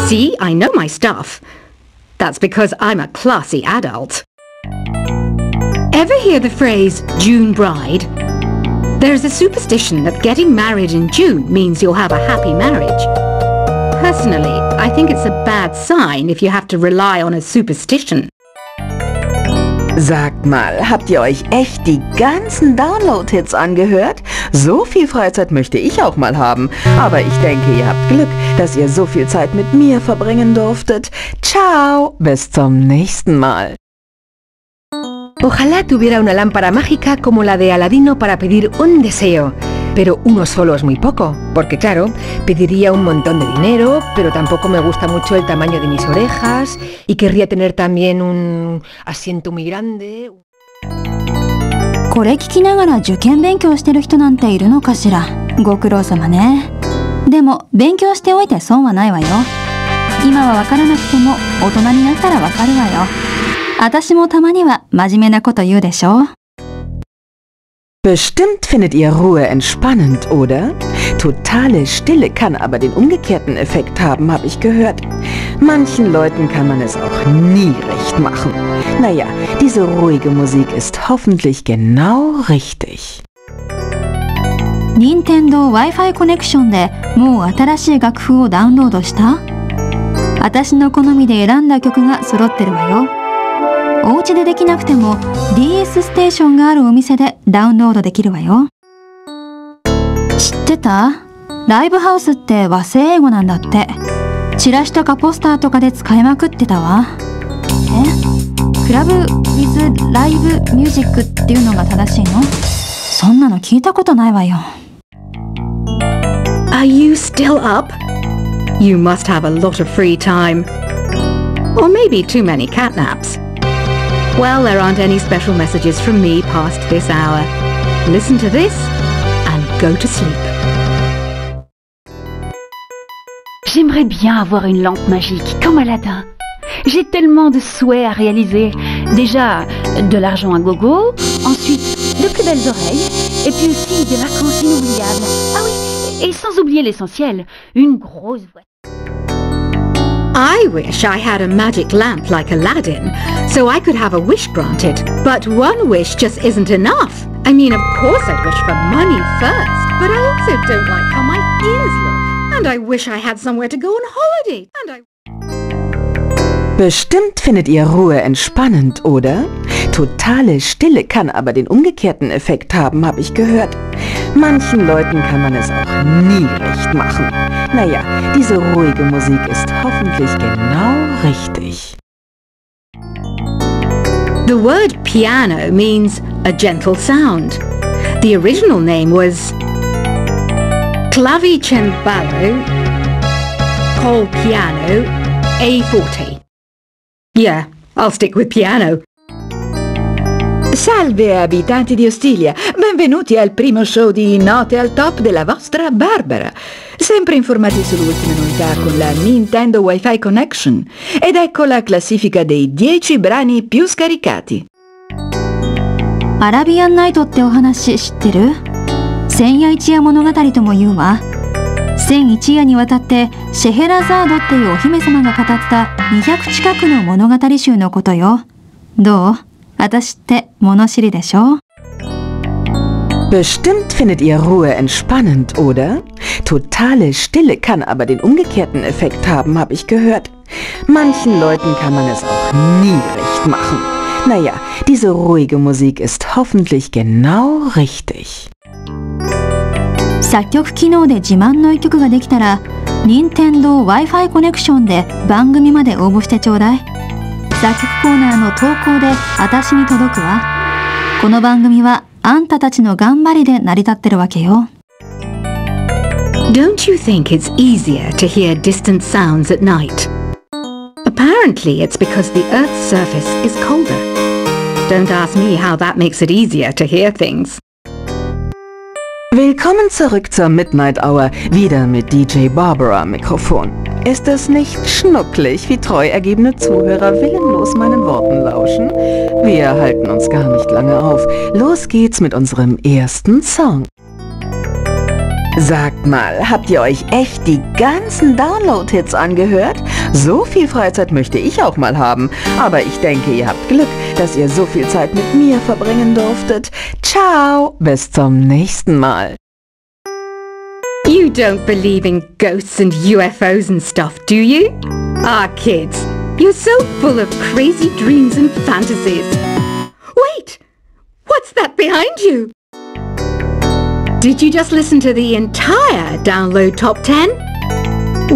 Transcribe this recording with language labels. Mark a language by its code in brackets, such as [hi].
[en] See, I know my stuff. That's because I'm a classy adult. Ever hear the phrase June bride? There's a superstition that getting married in June means you'll have a happy marriage. Personally, I think it's a bad sign if you have to rely on a superstition. [de] Sagt mal, habt ihr euch echt die ganzen Download-Hits angehört? So viel Freizeit möchte ich auch mal haben. Aber ich denke, ihr habt Glück, dass ihr so viel Zeit mit mir verbringen durftet. Ciao, bis zum nächsten Mal. [es] Ojalá tuviera una lámpara mágica como la de Aladino para pedir un deseo. Pero uno solo es muy poco, porque claro, pediría un montón de dinero, pero tampoco me gusta mucho el tamaño de mis orejas y querría tener también un asiento muy grande. [ja] これ聞きながら受験勉強してる人なんているのかしら。ご苦労様ね。でも勉強しておいて損はないわよ。今はわからなくても大人になったらわかるわよ。私もたまには真面目なこと言うでしょ。 [de] Bestimmt findet ihr Ruhe entspannend, oder? Totale Stille kann aber den umgekehrten Effekt haben, habe ich gehört. Manchen Leuten kann man es auch nie recht machen. Naja, diese ruhige Musik ist hoffentlich genau richtig. [ja] Nintendo Wi-Fi Connection でもう新しい楽譜をダウンロードした? 私の好みで選んだ曲が揃ってるわよ。お家でできなくても DS ステーションがあるお店でダウンロードできるわよ。知ってた? ライブハウスって和製英語なんだって。チラシとかポスターとかで使いまくってたわ。え? クラブ with ライブミュージックっていうのが正しいの? そんなの聞いたことないわよ。 [en] Are you still up? You must have a lot of free time. Or maybe too many catnaps. Well, there aren't any special messages from me past this hour. Listen to this and go to sleep. [fr] J'aimerais bien avoir une lampe magique comme Aladdin. J'ai tellement de souhaits à réaliser. Déjà, de l'argent à gogo, ensuite, de plus belles oreilles, et puis aussi des vacances inoubliables. Ah oui, et sans oublier l'essentiel, une grosse voiture. [en] I wish I had a magic lamp like Aladdin, so I could have a wish granted. But one wish just isn't enough. I mean, of course I'd wish for money first, but I also don't like how my ears look. And I wish I had somewhere to go on holiday. And I... [de] Bestimmt findet ihr Ruhe entspannend, oder? Totale Stille kann aber den umgekehrten Effekt haben, habe ich gehört. Manchen Leuten kann man es auch nie recht machen. Naja, diese ruhige Musik ist hoffentlich genau richtig. [en] The word piano means a gentle sound. The original name was clavicembalo, col piano, a forte. Yeah, I'll stick with piano. [it] Salve abitanti di Ostiglia, benvenuti al primo show di Note al Top della vostra Barbara. Sempre informati sulle ultime novità con la Nintendo Wi-Fi Connection. Ed ecco la classifica dei 10 brani più scaricati. [ja] Arabian Night ってお話知ってる?千夜一夜物語とも言うわ。千一夜にわたってシェヘラザードっていうお姫様が語った200近くの物語集のことよ。どう?私って物知りでしょ? [de] Bestimmt findet ihr Ruhe entspannend, oder? Totale Stille kann aber den umgekehrten Effekt haben, habe ich gehört. Manchen Leuten kann man es auch nie recht machen. Naja, diese ruhige Musik ist hoffentlich genau richtig. [ja] 作曲機能で自慢の一曲ができたら、Nintendo Wi-Fi Connection で番組まで応募してちょうだい。雑誌コーナーの投稿で私に届くわ。この番組はあんたたちの頑張りで成り立ってるわけよ。 [en] Don't you think it's easier to hear distant sounds at night? Apparently it's because the Earth's surface is colder. Don't ask me how that makes it easier to hear things. [de] Willkommen zurück zur Midnight Hour, wieder mit DJ Barbara Mikrofon. Ist es nicht schnucklig, wie treu ergebene Zuhörer willenlos meinen Worten lauschen? Wir halten uns gar nicht lange auf. Los geht's mit unserem ersten Song. Sagt mal, habt ihr euch echt die ganzen Download-Hits angehört? So viel Freizeit möchte ich auch mal haben. Aber ich denke, ihr habt Glück, dass ihr so viel Zeit mit mir verbringen durftet. Ciao, bis zum nächsten Mal. [en] You don't believe in ghosts and UFOs and stuff, do you? Ah, kids, you're so full of crazy dreams and fantasies. Wait, what's that behind you? Did you just listen to the entire download top 10?